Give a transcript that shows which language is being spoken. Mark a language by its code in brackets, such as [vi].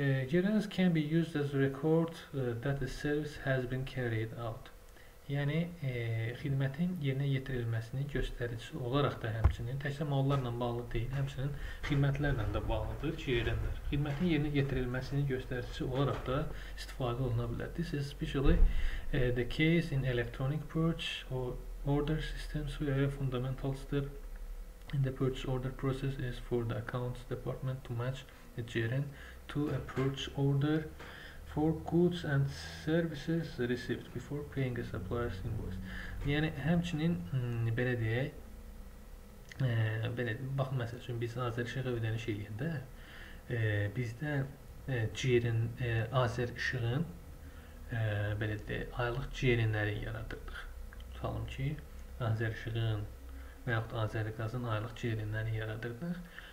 [en] GRNs can be used as a record that the service has been carried out. [az] Yəni, xidmətin yerinə yetirilməsinin göstəricisi olaraq da həmçinin, təkcə mallarla bağlı deyil, həmçinin xidmətlərlə də bağlıdır ki, GRN-lər. Xidmətin yerinə yetirilməsinin göstəricisi olaraq da istifadə oluna bilər. [en] This is especially the case in electronic purchase or order systems where a fundamental step in the purchase order process is for the accounts department to match the GRN to a purchase order for goods and services received before paying a supplier's invoice. [az] Yəni həmçinin belə deyək, belə baxın, məsəl üçün biz Azərişıq ödəniş eləyəndə bizdə GRN Azərişıqın belə deyək, aylıq GRN-ləri yaradırdıq. Tutalım ki, Azərişıqın və yaxud Azərqazın aylıq GRN-ləri yaradırdıq.